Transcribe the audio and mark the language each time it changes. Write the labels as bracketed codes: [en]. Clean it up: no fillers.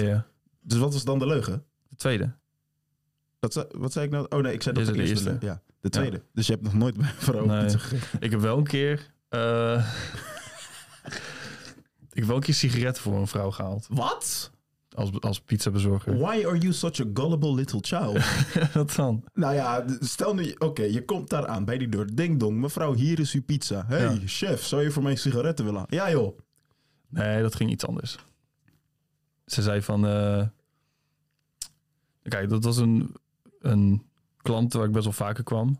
[nl] Ja. Dus wat was dan de leugen? De tweede. Wat zei ik nou? Oh nee, ik zei dat de eerste. Ja, de tweede. Ja. Dus je hebt nog nooit bij een vrouw pizza gegeven. Ik heb wel een keer... ik heb wel een keer sigaretten voor een vrouw gehaald. Wat? Als pizzabezorger. [en] Why are you such a gullible little child? [nl] Wat dan? Nou ja, stel nu... Oké, je komt daar aan bij die deur. Ding dong, mevrouw, hier is uw pizza. Hey, ja. Chef, zou je voor mij sigaretten willen? Ja joh. Nee, dat ging iets anders. Ze zei van... Kijk, dat was een klant waar ik best wel vaker kwam.